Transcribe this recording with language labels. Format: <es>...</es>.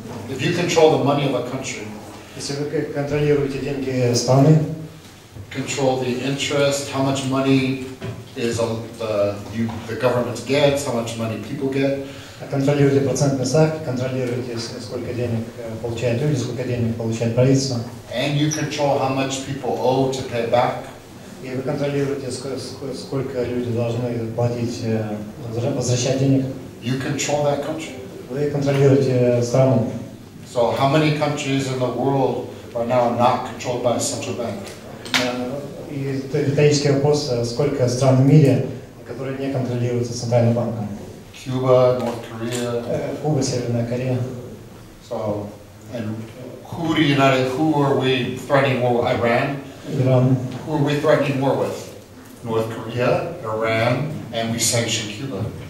<en>If you control the money of a country.</en> <ru>Если вы контролируете деньги страны.</ru> <en>Control the interest, how much money is the government gets, how much money people get.</en> <ru>Контролируете процентный ставки, контролируете, сколько денег получают люди, сколько денег получает правительство.</ru> <en>And you control how much people owe to pay back.</en> <ru>И вы контролируете, сколько люди должны платить, возвращать денег.</ru> <en>You control that country.</en> <ru>Вы контролируете страну.</ru> <en>So how many countries in the world are now not controlled by a central bank?</en> <ru>И риторический вопрос, сколько стран в мире, которые не контролируются Центральным банком?</ru> <en>Куба, North Korea.</en> <ru>Куба, Северная Корея.</ru> <en>So, and who do you not, who are we threatening war with? Iran? Iran. Who are we threatening war with? North Korea, Iran, and we sanction Cuba.</en>